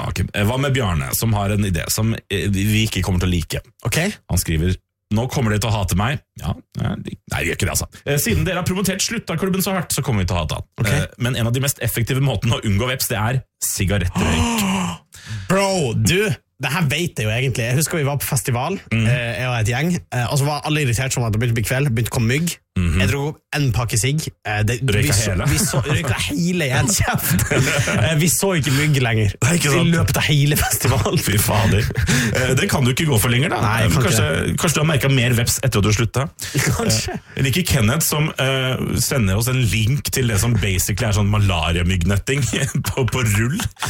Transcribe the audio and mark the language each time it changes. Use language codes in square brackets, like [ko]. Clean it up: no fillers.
[no] Ja, okay. Hva med Bjarne, som har en idé som vi ikke kommer til å like? Ok. Han skriver, nå kommer de til å hate meg. Ja, nei, de gjør ikke det altså. Siden dere har promotert slutt av klubben så hardt, så kommer vi til å hate han. Ok. Men en av de mest effektive måtene å unngå veps, det sigaretterøyk. Bro, du... [sv] Det här vet jag ju egentligen. Jag husker vi var på festival, jag och ett gäng. Och så var alla irriterade som att det blev kväll, bynt kom mygg. Mm-hmm. [no] Jeg dro opp en pakke sigg. Røyka hele i en kjeft. Vi så ikke mygg lenger. Nei, ikke sant. Vi løpte hele festivalen. Fy fader. Det kan du ikke gå for lenger da. Nei, kanskje du har merket mer veps etter at du sluttet. Kanskje. Like Kenneth som sender oss en link til det som basically sånn malaria-myggnetting på rull.